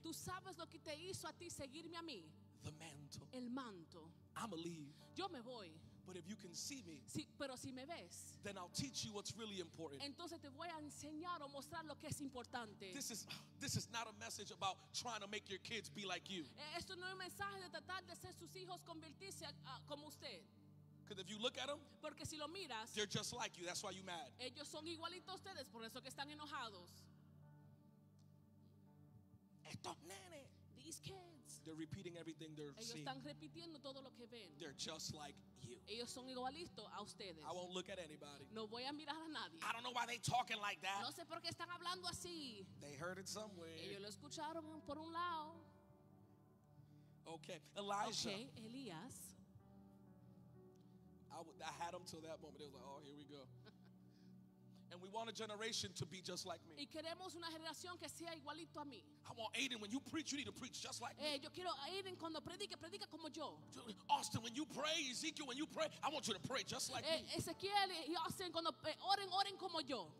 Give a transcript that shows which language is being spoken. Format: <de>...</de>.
<es>Tú sabes lo que te hizo a ti seguirme a mí.</es> <en>The mantle,</en> <es>el manto.</es> <en>I'ma leave.</en> <es>Yo me voy.</es> <en>But if you can see me,</en> <es>si, pero si me ves,</es> <en>then I'll teach you what's really important.</en> <es>Entonces te voy a enseñar o mostrar lo que es importante.</es> <en>This is not a message about trying to make your kids be like you.</en> <es>Esto no es un mensaje de tratar de hacer sus hijos convertirse como usted.</es> <en>Because if you look at them,</en> <es>porque si lo miras,</es> <en>they're just like you. That's why you're mad.</en> <es>Ellos son igualitos a ustedes, por eso que están enojados. Estos nenes.</es> <en>These kids, they're repeating everything they're</en> <es>ellos</es> <en>seeing.</en> <es>Están repitiendo todo lo que ven.</es> <en>They're just like you.</en> <es>Ellos son igualitos a ustedes.</es> <en>I won't look at anybody.</en> <es>No voy a mirar a nadie.</es> <en>I don't know why they're talking like that.</en> <es>No sé por qué están hablando así.</es> <en>They heard it somewhere.</en> <es>Ellos lo escucharon por un lado.</es> <en>Okay, Elijah.</en> <es>Okay, Elias.</es> <en>I had him till that moment. It was like, oh, here we go. And we want a generation to be just like me.</en> <es>Y queremos una generación que sea igualito a mí.</es> <en>I want Aiden, when you preach, you need to preach just like me.</en> <es>Yo quiero Aiden cuando predique, predique como yo.</es> <en>Austin, when you pray, Ezekiel, when you pray, I want you to pray just like me.</en> <es>Ezequiel y Austin cuando oren, oren como yo.</es>